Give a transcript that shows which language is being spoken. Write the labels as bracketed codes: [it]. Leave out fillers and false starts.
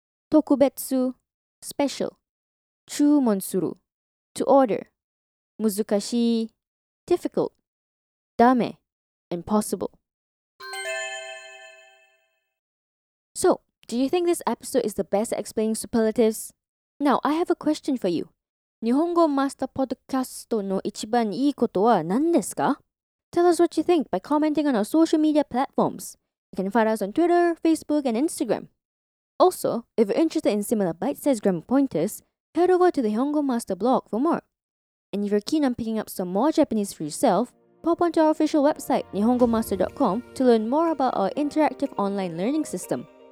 [ja] 特別, [en] special. [ja] 注文する, [en] to order. [ja] 難しい, [en] difficult. [ja] ダメ, [en] impossible. So, do you think this episode is the best at explaining superlatives? Now, I have a question for you. [ja] 日本語マスターポッドキャストの一番いいことは何ですか? [en] Tell us what you think by commenting on our social media platforms. You can find us on Twitter, Facebook, and Instagram. Also, if you're interested in similar bite-sized grammar pointers, head over to the 日本語 Master blog for more. And if you're keen on picking up some more Japanese for yourself, pop onto our official website, nihongomaster.com, to learn more about our interactive online learning system.